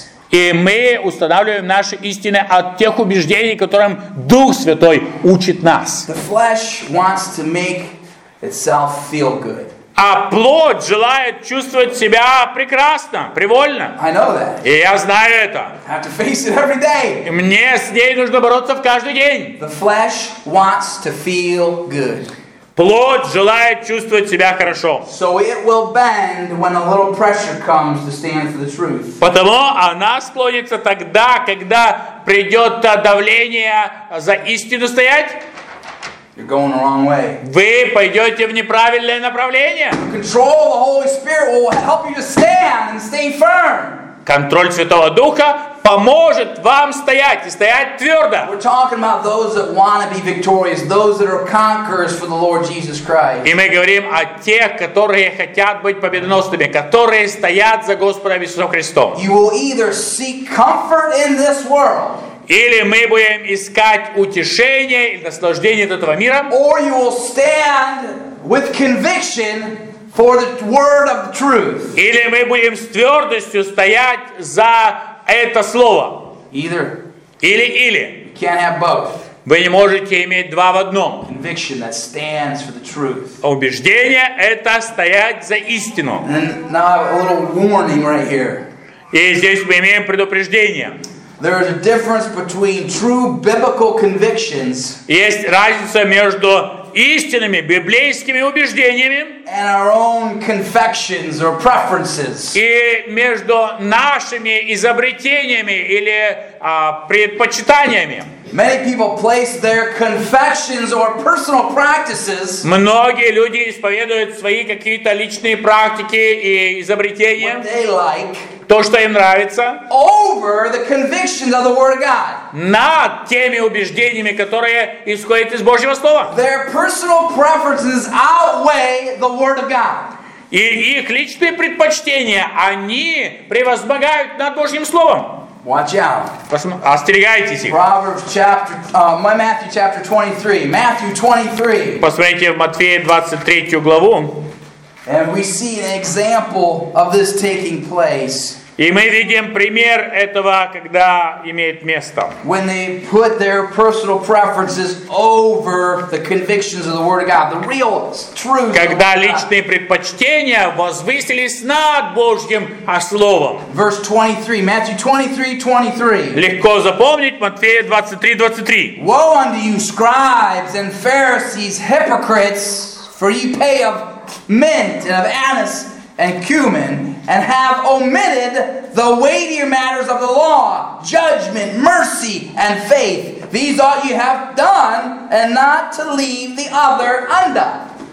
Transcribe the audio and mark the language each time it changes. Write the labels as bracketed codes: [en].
[ru] И мы устанавливаем наши истины от тех убеждений, которым Дух Святой учит нас. [en] The flesh wants to make itself feel good. [ru] А плоть желает чувствовать себя прекрасно, привольно. [en] I know that. [ru] И я знаю это. [en] I have to face it every day. [ru] И мне с ней нужно бороться в каждый день. [en] The flesh wants to feel good. [ru] Плоть желает чувствовать себя хорошо. [en] So it will bend when a little pressure comes to stand for the truth. [ru] Потому она склонится тогда, когда придет давление за истину стоять. [en] You're going the wrong way. [ru] Вы пойдете в неправильное направление. [en] Control of the Holy Spirit will help you to stand and stay firm. [ru] Контроль Святого Духа поможет вам стоять и стоять твердо. [en] We're talking about those that want to be victorious, those that are conquerors for the Lord Jesus Christ. [ru] И мы говорим о тех, которые хотят быть победоносными, которые стоят за Господом Иисусом Христом. [en] You will either seek comfort in this world. [ru] Или мы будем искать утешение и наслаждение от этого мира. [en] Or you will stand with conviction. For the word of the truth. [ru] Или мы будем с твердостью стоять за это слово. [en] Either. [ru] Или. [en] You can't have both. [ru] Вы не можете иметь два в одном. [en] Conviction that stands for the truth. [ru] Убеждение – это стоять за истину. [en] And now I have a little warning right here. [ru] И здесь мы имеем предупреждение. [en] There is a difference between true biblical convictions. [ru] Есть разница между истинными библейскими убеждениями [en] and our own confections or preferences. [ru] И между нашими изобретениями или предпочитаниями. [en] Many people place their confessions or personal practices. [ru] Многие люди исповедуют свои какие-то личные практики и изобретения. [en] What they like. [ru] То, что им нравится. [en] Over the convictions of the Word of God. [ru] Над теми убеждениями, которые исходят из Божьего слова. [en] Their personal preferences outweigh the Word of God. [ru] И их личные предпочтения они превозмогают над Божьим словом. [en] Watch out. [ru] Остерегайтесь их. [en] Proverbs chapter, Matthew chapter 23. Matthew 23. [ru] Посмотрите в Матфея 23 главу. [en] And we see an example of this taking place. [ru] И мы видим пример этого, когда имеет место. [en] When they put their personal preferences over the convictions of the Word of God, the real truth. [ru] Когда личные предпочтения возвысились над Божьим словом. [en] Verse 23, Matthew 23:23. [ru] Легко запомнить, Матфея 23:23. [en] Woe unto you, scribes and Pharisees, hypocrites, for ye pay of mint and of anise and cumin, and have omitted the weightier matters of the law, judgment, mercy, and faith. These all you have done, and not to leave the other undone.